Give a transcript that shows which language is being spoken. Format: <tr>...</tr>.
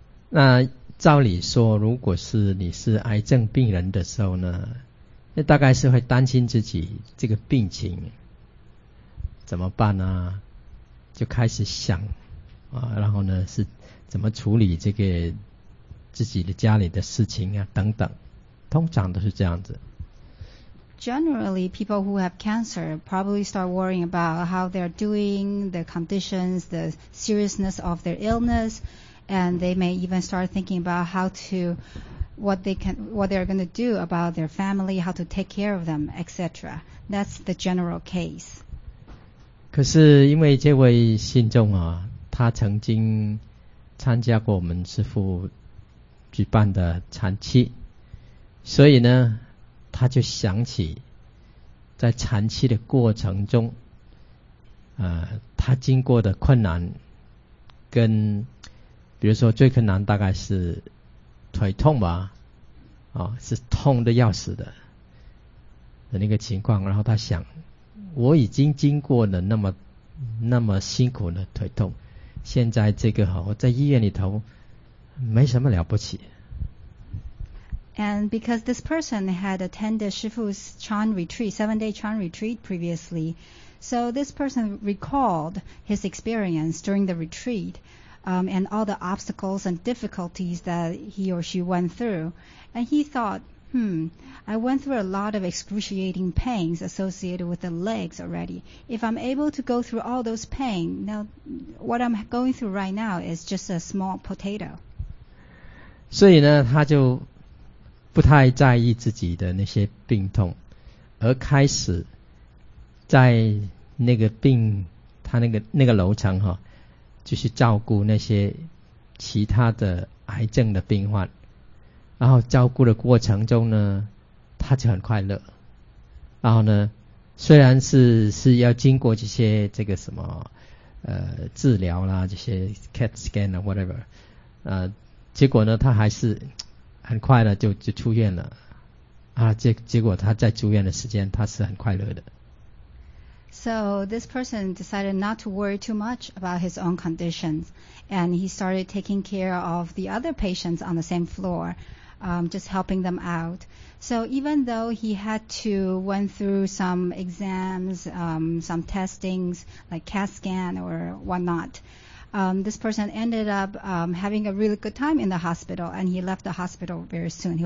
<zh>那照理说，如果是你是癌症病人的时候呢，那大概是会担心自己这个病情怎么办啊，就开始想然后呢是怎么处理这个自己的家里的事情啊等等，通常都是这样子。</zh> <en>Generally, people who have cancer probably start worrying about how they're doing, the conditions, the seriousness of their illness, and they may even start thinking about what they're going to do about their family, how to take care of them, etc. That's the general case.</en> <zh>可是因为这位信众他曾经参加过我们师父举办的禅期，所以呢他就想起在禅期的过程中他经过的困难，跟比如说最困难大概是腿痛吧是痛得要死的那个情况，然后他想，我已经经过了那么辛苦的腿痛，现在这个我在医院里头没什么了不起。</zh> <en>And because this person had attended Shifu's Chan retreat, 7-day Chan retreat previously, So this person recalled his experience during the retreat, and all the obstacles and difficulties that he or she went through. And he thought, I went through a lot of excruciating pains associated with the legs already. If I'm able to go through all those pain, now what I'm going through right now is just a small potato.</en> <zh>所以呢，他就不太在意自己的那些病痛，而开始在那个病，他那个楼层哈，就是照顾那些其他的癌症的病患。然后照顾的过程中呢，他就很快乐。然后呢，虽然是要经过这些这个什么治疗啦，这些 CAT scan 啊 whatever， 结果呢，他还是很快的就出院了。啊，结果他在住院的时间，他是很快乐的。</zh> <en>So this person decided not to worry too much about his own conditions, and he started taking care of the other patients on the same floor, just helping them out. So even though he had to went through some exams, some testings like CAT scan or whatnot, this person ended up having a really good time in the hospital, and he left the hospital very soon.</en>